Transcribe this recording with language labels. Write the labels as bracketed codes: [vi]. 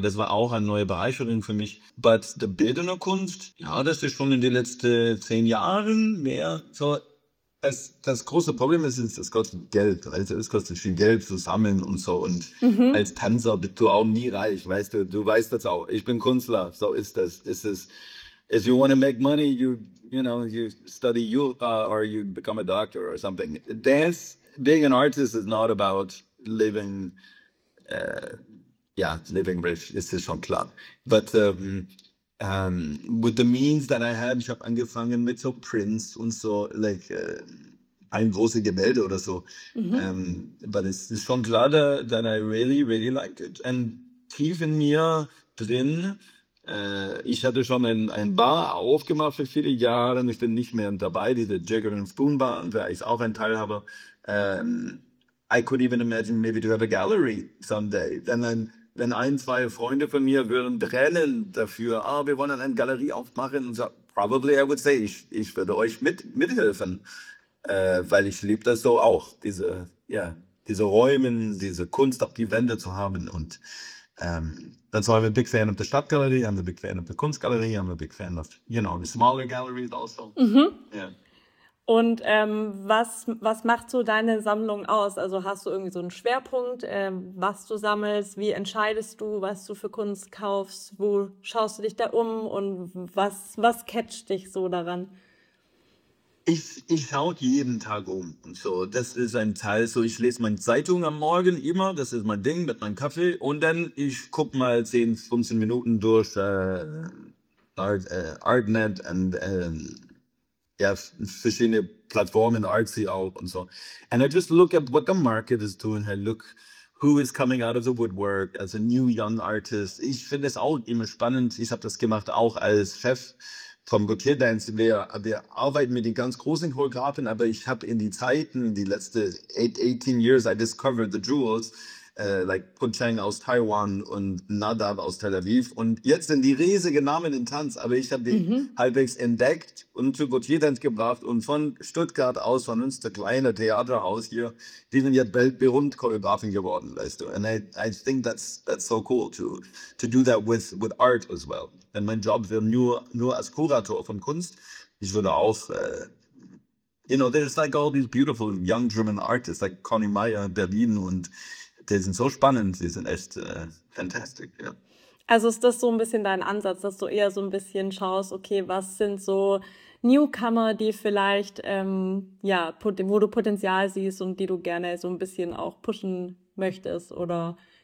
[de] Das war auch eine neue Bereicherung für mich. But the bildende Kunst, ja, das ist schon in den letzten 10 Jahren mehr. So, das große Problem ist, das kostet Geld. Also, es kostet viel Geld zu sammeln und so. Und als Tänzer bist du auch nie reich, weißt du. Du weißt das auch. Ich bin Künstler. So ist das. Ist es. [en] If you want to make money, you study Jura or you become a doctor or something. Dance. Being an artist is not about living, living rich. [de] Es ist schon klar. [en] But with the means that I had, [de] ich habe angefangen mit so Prints und so, ein großes Gemälde oder so. [en] But [de] es ist schon klar, [en] that I really, really liked it. [de] And tief in mir drin, ich hatte schon ein Bar aufgemacht für viele Jahre. Ich bin nicht mehr dabei, diese Jagger and Spoon Bar, und da ich auch ein Teil habe. [en] I could even imagine maybe to have a gallery someday. [de] Wenn ein, zwei Freunde von mir würden brennen dafür, ah, wir wollen eine Galerie aufmachen, und so, [en] probably I would say, [de] ich würde euch mithelfen, weil ich liebe das so auch, diese Räume, diese Kunst auf die Wände zu haben. Und dann sind wir [en] big fan of the Stadtgalerie, I'm a big fan of the Kunstgalerie, I'm a big fan of, you know, the smaller galleries also. [de] Und was macht so deine Sammlung aus? Also hast du irgendwie so einen Schwerpunkt, was du sammelst? Wie entscheidest du, was du für Kunst kaufst? Wo schaust du dich da um und was catcht dich so daran? Ich schaue jeden Tag um. Und so, das ist ein Teil. So, ich lese meine Zeitung am Morgen immer. Das ist mein Ding mit meinem Kaffee. Und dann ich gucke mal 10, 15 Minuten durch ArtNet und verschiedene Plattformen, Artsy auch und so. [en] And I just look at what the market is doing. I look who is coming out of the woodwork as a new young artist. [de] Ich finde es auch immer spannend. Ich habe das gemacht auch als Chef vom Gautier Dance. Wir arbeiten mit den ganz großen Choreografen, aber ich habe in die Zeiten, die letzten [en] 18 years, I discovered the jewels, [de] like Po Chang aus Taiwan und Nadav aus Tel Aviv. Und jetzt sind die riesigen Namen in Tanz, aber ich habe die halbwegs entdeckt und zu Gautier Dance gebracht und von Stuttgart aus, von uns, der kleine Theaterhaus hier, die sind jetzt weltberühmt Choreografen geworden, weißt du. [en] And I think that's so cool to do that with art as well. [de] Denn mein Job wäre nur als Kurator von Kunst. Ich würde auch, [en] you know, there's like all these beautiful young German artists like Conny Meyer in Berlin [de] und die sind so spannend, sie sind echt fantastic, ja. Also ist das so ein bisschen dein Ansatz, dass du eher so ein bisschen schaust, okay, was sind so Newcomer, die vielleicht, wo du Potenzial siehst und die du gerne so ein bisschen auch pushen möchtest, oder?